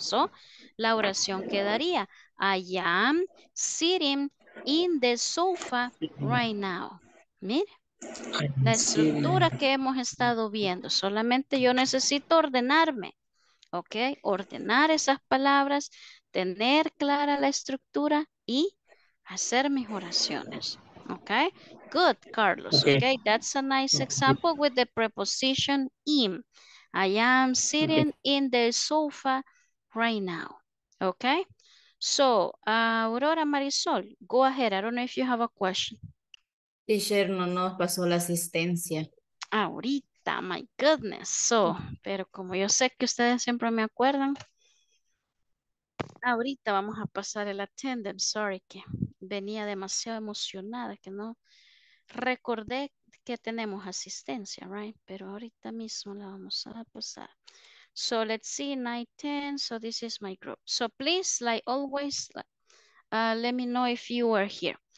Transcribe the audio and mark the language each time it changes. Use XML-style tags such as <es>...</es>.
<en>So,</en> <es>la oración quedaría,</es> <en>I am sitting in the sofa right now.</en> <es>Mire, la estructura que hemos estado viendo. Solamente yo necesito ordenarme, ¿ok? Ordenar esas palabras, tener clara la estructura y hacer mis oraciones.</es> <en>Okay? Good, Carlos. Okay, that's a nice example with the preposition in. I am sitting in the sofa right now. Okay? So, Aurora Marisol, go ahead. I don't know if you have a question.</en> <es>Teacher, no nos pasó la asistencia. Ahorita,</es> <en>my goodness.</en> <es>So, pero como yo sé que ustedes siempre me acuerdan, ahorita vamos a pasar el attendance. Sorry que venía demasiado emocionada, que no recordé que tenemos asistencia, right? Pero ahorita mismo la vamos a pasar.</es> <en>So let's see, 9, 10. So this is my group. So please, like always, let me know if you are here.</en>